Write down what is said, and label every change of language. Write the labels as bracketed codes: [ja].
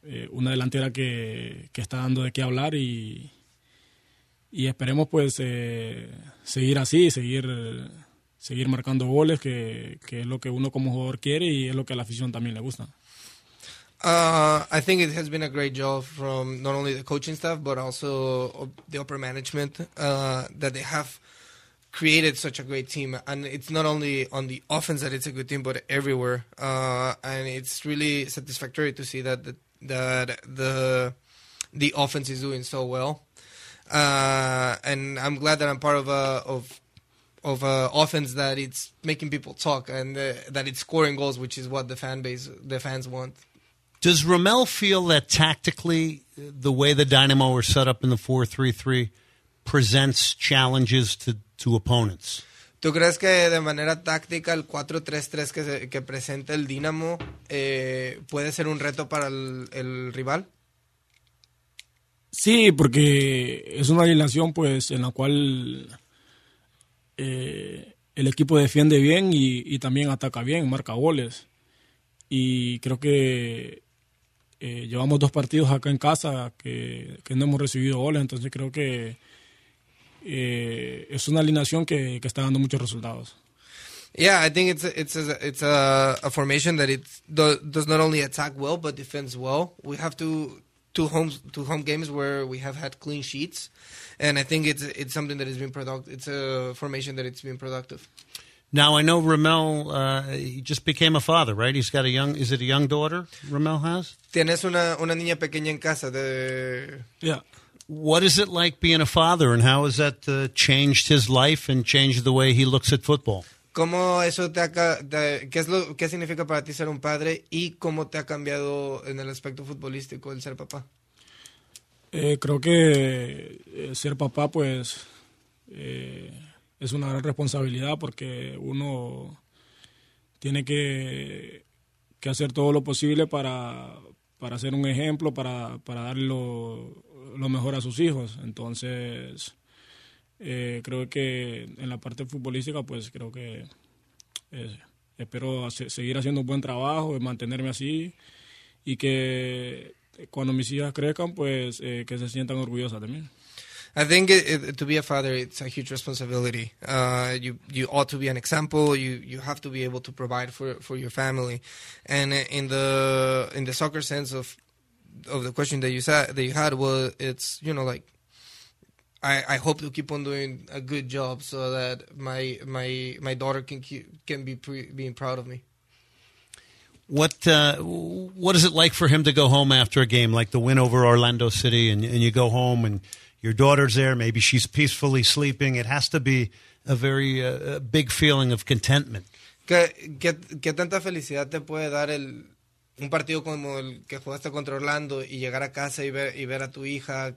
[es] Una delantera que está dando de qué hablar y esperemos pues seguir así, seguir marcando goles, que es lo que uno como jugador quiere y es lo que a la afición también le gusta. [en] I think it has been a great job from not only the coaching staff, but also the upper management, that they have created such a great team. And it's not only on the offense that it's a good team, but everywhere. And it's really satisfactory to see that the offense is doing so well. And I'm glad that I'm part of a offense that it's making people talk and that it's scoring goals, which is what the fans want. Does Ramel feel that tactically the way the Dynamo are set up in the 4-3-3 presents challenges to opponents? [es] ¿Tú crees que de manera táctica el 4-3-3 que presenta el Dynamo puede ser un reto para el rival? Sí, porque es una alineación pues en la cual el equipo defiende bien y también ataca bien, marca goles. Y creo que llevamos dos partidos acá en casa que no hemos recibido goles, entonces creo que es una alineación que está dando muchos resultados. [en] Yeah, I think it's a formation that it does not only attack well but defends well. We have two home games where we have had clean sheets, and I think it's something that has been productive. It's a formation that it's been productive. Now, I know Ramel, he just became a father, right? He's got is it a young daughter Ramel has? [es] Tienes una niña pequeña en casa. [en] Yeah. What is it like being a father, and how has that changed his life and changed the way he looks at football? [es] ¿Cómo eso te qué significa para ti ser un padre, y cómo te ha cambiado en el aspecto futbolístico el ser papá? Creo que ser papá, pues, es una gran responsabilidad porque uno tiene que hacer todo lo posible para ser un ejemplo, para dar lo mejor a sus hijos. Entonces, creo que en la parte futbolística, pues creo que espero seguir haciendo un buen trabajo y mantenerme así. Y que cuando mis hijas crezcan, pues que se sientan orgullosas de mí. [en] I think to be a father, it's a huge responsibility. You ought to be an example. You have to be able to provide for your family, and in the soccer sense of the question that you had was, it's, you know, like I hope to keep on doing a good job so that my daughter can be proud of me. What is it like for him to go home after a game like the win over Orlando City, and you go home and your daughter's there, maybe she's peacefully sleeping? It has to be a very big feeling of contentment. [es] ¿Qué tanta felicidad te puede dar un partido como el que jugaste contra Orlando y llegar a casa y ver a tu hija?